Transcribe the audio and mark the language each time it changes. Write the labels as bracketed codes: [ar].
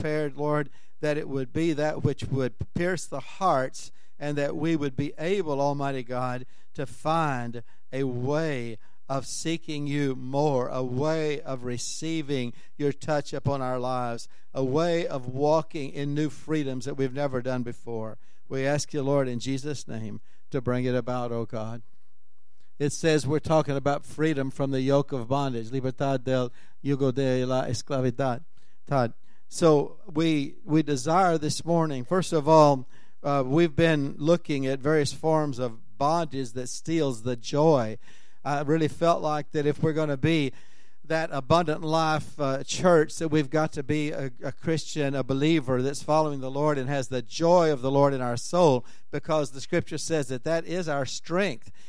[en] prepared, Lord, that it would be that which would pierce the hearts, and that we would be able, Almighty God, to find a way of seeking you more, a way of receiving your touch upon our lives, a way of walking in new freedoms that we've never done before. We ask you, Lord, in Jesus' name, to bring it about, O God. It says we're talking about freedom from the yoke of bondage. [es] Libertad del yugo de la esclavidad. [en] Todd. So we desire this morning, first of all, we've been looking at various forms of bondage that steals the joy. I really felt like that if we're going to be that abundant life church, that we've got to be a Christian, a believer that's following the Lord and has the joy of the Lord in our soul, because the scripture says that that is our strength.